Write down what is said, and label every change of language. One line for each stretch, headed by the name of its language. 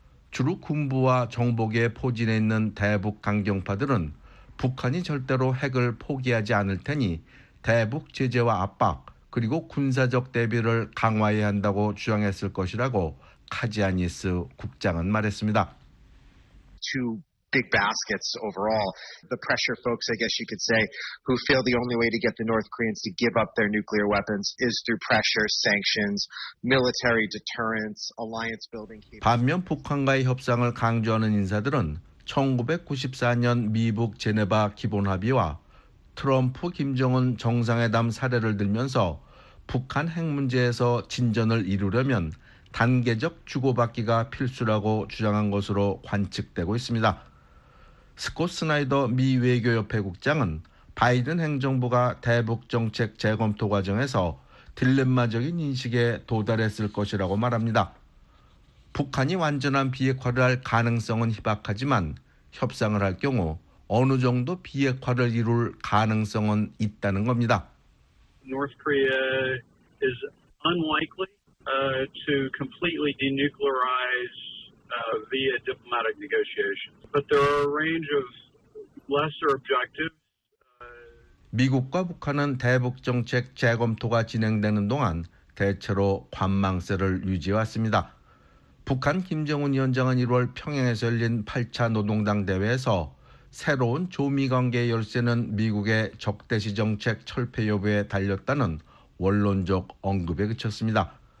Korean: 주로 군부와 정보계에 포진해 있는 대북 강경파들은 북한이 절대로 핵을 포기하지 않을 테니 대북 제재와 압박 그리고 군사적 대비를 강화해야 한다고 주장했을 것이라고 카지아니스 국장은 말했습니다.
English: Big baskets overall. The pressure folks, I guess you could say, who feel the only way to get the North Koreans to give up their nuclear weapons is through pressure, sanctions, military deterrence, alliance building.
Korean: 반면 북한과의 협상을 강조하는 인사들은 1994년 미북 제네바 기본 합의와 트럼프 김정은 정상회담 사례를 들면서 북한 핵 문제에서 진전을 이루려면 단계적 주고받기가 필수라고 주장한 것으로 관측되고 있습니다. 스콧 스나이더 미 외교협회 국장은 바이든 행정부가 대북 정책 재검토 과정에서 딜레마적인 인식에 도달했을 것이라고 말합니다. 북한이 완전한 비핵화를 할 가능성은 희박하지만 협상을 할 경우 어느 정도 비핵화를 이룰 가능성은 있다는 겁니다.
English: North Korea is unlikely to completely denuclearize via diplomatic negotiations. But there are a range of lesser objectives
Korean: 미국과 북한은 대북정책 재검토가 진행되는 동안 대체로 관망세를 유지해왔습니다. 북한 김정은 위원장은 1월 평양에서 열린 8차 노동당 대회에서 새로운 조미관계 열쇠는 미국의 적대시 정책 철폐 여부에 달렸다는 원론적 언급에 그쳤습니다.